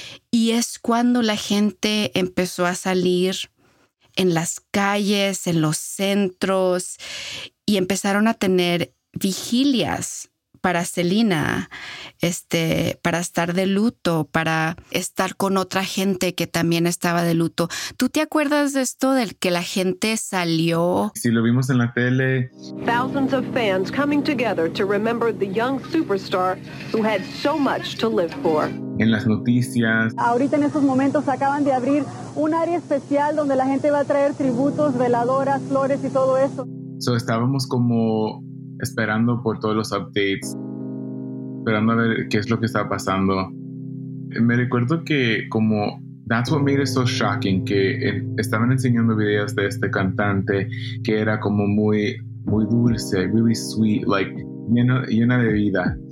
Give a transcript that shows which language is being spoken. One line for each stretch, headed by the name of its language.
Spanish: Y es cuando la gente empezó a salir en las calles, en los centros, y empezaron a tener vigilias para Selena, para estar de luto, para estar con otra gente que también estaba de luto. ¿Tú te acuerdas de esto, del que la gente salió? Sí, lo vimos en la tele.
English: Thousands of fans coming together to remember the young superstar who had so much to live for.
Spanish: En las noticias. Ahorita en estos momentos acaban de abrir un área especial donde la gente va a traer tributos, veladoras, flores y todo eso. So, estábamos como esperando por todos los updates, esperando a ver qué es lo que estaba pasando. Me recuerdo que como
English: that's what made it so shocking,
Spanish: que estaban enseñando videos de este cantante que era como muy, muy dulce,
English: really sweet, like
Spanish: llena de vida.